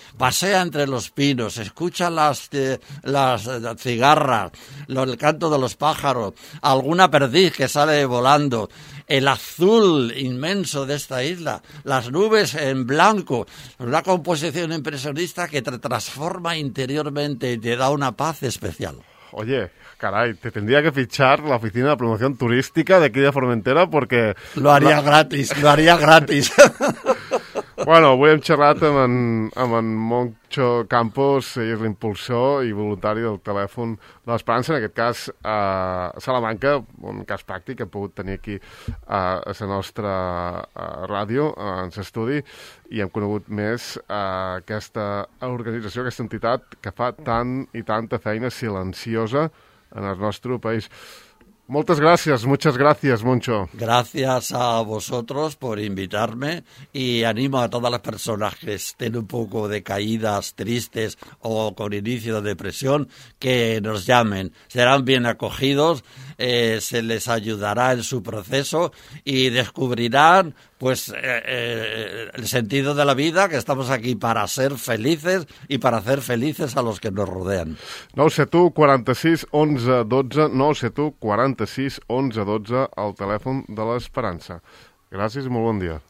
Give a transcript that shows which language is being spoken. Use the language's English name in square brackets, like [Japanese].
[Spanish] Pasea entre los pinos, escucha las cigarras, el canto de los pájaros, alguna perdiz que sale volando, el azul inmenso de esta isla, las nubes en blanco, una composición impresionista que te transforma interiormente y te da una paz especial. Oye, caray, te tendría que fichar la oficina de promoción turística de aquí de Formentera porque lo haría gratis. [Catalan] Bueno, avui hem xerrat amb en Moncho Campos, ell és l'impulsor i voluntari del telèfon de l'Esperança, en aquest cas a Salamanca, un cas pràctic que hem pogut tenir aquí a la nostra ràdio, en l'estudi, i hem conegut més aquesta organització, aquesta entitat que fa tant i tanta feina silenciosa en el nostre país. [Spanish] Muchas gracias, Moncho. Gracias a vosotros por invitarme y animo a todas las personas que estén un poco decaídas, tristes o con inicio de depresión, que nos llamen. Serán bien acogidos, se les ayudará en su proceso y descubrirán pues el sentido de la vida, que estamos aquí para ser felices y para hacer felices a los que nos rodean. [Catalan] 9-7-1-46-11-12, 9-7-1-46-11-12, al telèfon de l'Esperança. Gràcies i molt bon dia.